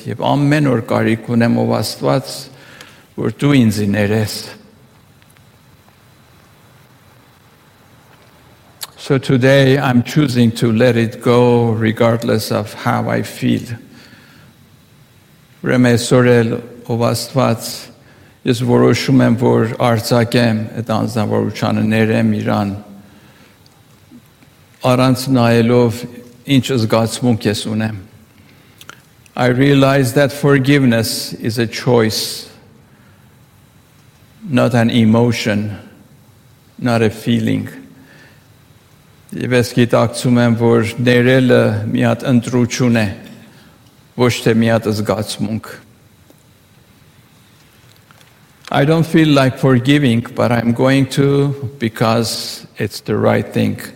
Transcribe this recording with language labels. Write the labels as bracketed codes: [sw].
[hy] Եվ ամեն օր կարիք ունեմ ով Աստված, որ դու ինձ ներես։ [en] So today I'm choosing to let it go regardless of how I feel. [hy] Ուրեմն այսօր ով Աստված, ես որոշում եմ, որ արձակեմ այդ անձնավորությանը, ներեմ իրան, առանց նայելով ինչ զգացմունք ես ունեմ. [en] I realize that forgiveness is a choice, not an emotion, not a feeling. [hy] Եվ ես գիտակցում եմ, որ ներելը մի հատ ընտրություն է, ոչ թե մի հատ զգացմունք։ [en] I don't feel like forgiving, but I'm going to because it's the right thing.